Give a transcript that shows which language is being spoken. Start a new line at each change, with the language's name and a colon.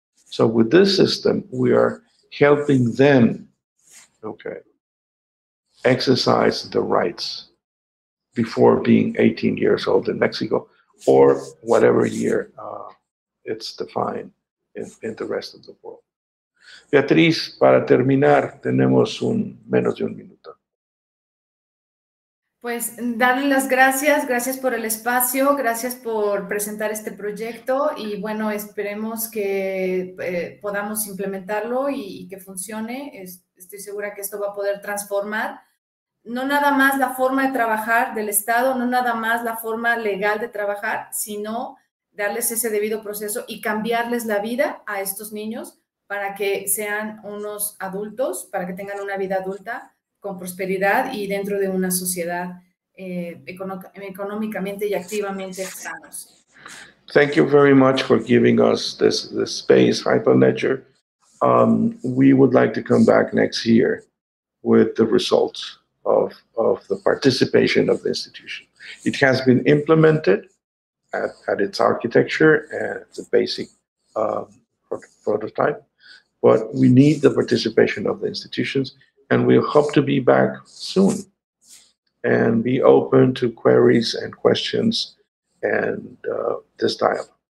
English: So with this system, we are helping them, okay, exercise the rights before being 18 years old in Mexico, or whatever year it's defined in the rest of the world.
Spanish: Beatriz, para terminar, tenemos menos de un minuto. Pues, darle las gracias, gracias por el espacio, gracias por presentar este proyecto, y bueno, esperemos que podamos implementarlo y que funcione. Estoy segura que esto va a poder transformar no nada más la forma de trabajar del Estado, no nada más la forma legal de trabajar, sino darles ese debido proceso y cambiarles la vida a estos niños para que sean unos adultos, para que tengan una vida adulta con prosperidad y dentro de una sociedad económicamente y activamente sanos.
English: Thank you very much for giving us this space, Hypermature. We would like to come back next year with the results of the participation of the institution. It has been implemented at its architecture and the basic prototype, but we need the participation of the institutions, and we hope to be back soon and be open to queries and questions and this dialogue.